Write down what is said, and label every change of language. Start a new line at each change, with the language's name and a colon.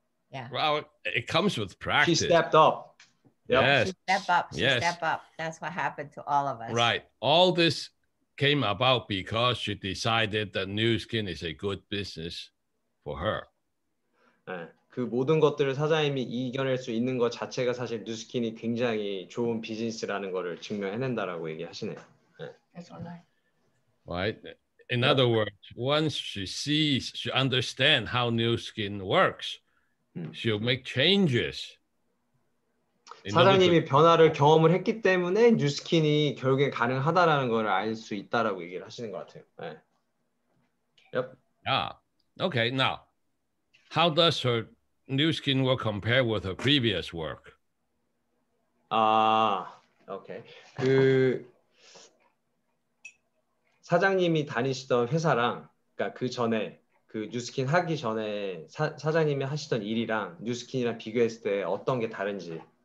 English: Yeah. Wow, it comes with practice. She stepped up. Yep. Yes. She stepped up. That's what happened to all of us. Right. All this came about because she decided that New Skin is a good business for her.
Korean: 그 모든 것들을 사장님이 이겨낼 수 있는 것 자체가 사실 New Skin이 굉장히 좋은 비즈니스라는 것을 증명해낸다라고 얘기하시네요.
English: That's right. Right. In other words, once she sees, she understands how New Skin works, she'll make changes.
Korean: 사장님이 변화를 경험을 했기 때문에 뉴스킨이 결국에 가능하다라는 걸 알 수 있다라고 얘기를 하시는 것 같아요. 네.
English: Yep. Yeah. Okay. Now, how does her new skin work compare with her previous work? Okay.
Korean: 그 사장님이 다니시던 회사랑 그러니까 그 전에 그 뉴스킨 하기 전에 사장님이 하시던 일이랑 뉴스킨이랑 비교했을 때 어떤 게 다른지.